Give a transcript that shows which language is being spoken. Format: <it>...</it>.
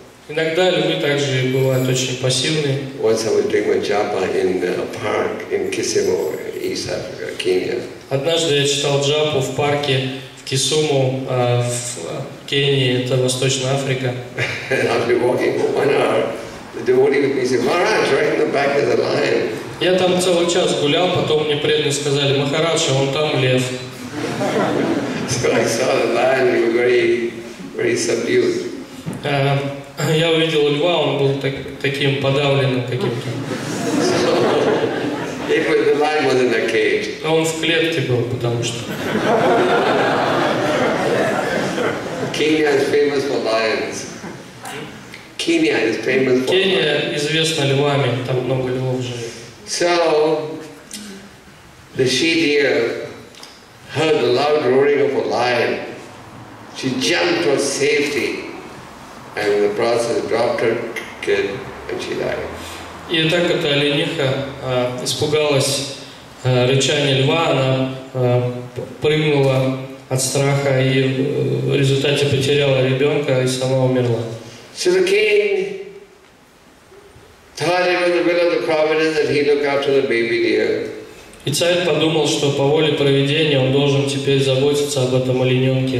<ru>Иногда люди также бывают очень пассивные.</ru> <en>Once I was doing my japa in a park in Kisumu, East Africa, Kenya.</en> <ru>Однажды я читал джапу в парке в Кисуму, в Кении, это Восточная Африка.</ru> <en>I've been walking for 1 hour. The devotee would be saying, Maharaj, right in the back is a lion.</en> <ru>Я там целый час гулял, потом мне преданные сказали, Махарадж, вон там лев.</ru> <en>So I saw the lion, he was very, very subdued.</en> <ru>Я увидел льва, он был таким подавленным каким-то.</ru> <en>So, if the lion was in a cage.</en> <ru>А он в клетке был, потому что.</ru> <en>Kenya is famous for lions. Kenya is famous for</en> <ru>Kenya известна львами, там много львов живет.</ru> <en>So, the she-deer heard the loud roaring of a lion. She jumped for safety. And in the process dropped her kid and she died.</en> <ru>И так эта олениха испугалась рычания льва, она прыгнула от страха и в результате потеряла ребенка и сама умерла.</ru> <en>So the king thought it was the will of the providence that he look after the baby deer.</en> <ru>И царь подумал, что по воле провидения он должен теперь заботиться об этом олененке</ru>